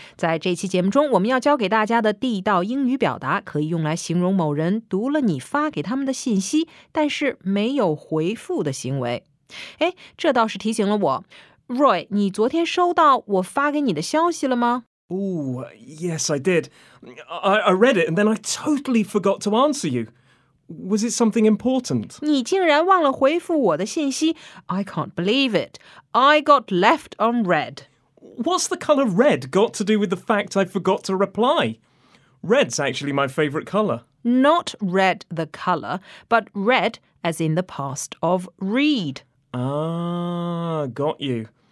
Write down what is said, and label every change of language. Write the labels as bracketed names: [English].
[Chinese] 在这期节目中，我们要教给大家的地道英语表达可以用来形容某人读了你发给他们的信息，但是没有回复的行为。哎，这倒是提醒了我。Roy, 你昨天收到我发给你的消息了吗？ [English] Ooh, yes, I did. I read it and then I totally forgot to answer you. Was it something important? [Chinese] 你竟然忘了回复我的信息。 [English] I can't believe it. I got left unread. What's the colour red got to do with the fact I forgot to reply? Red's actually my favourite colour. Not red the colour, but red as in the past of read. Ah, got you.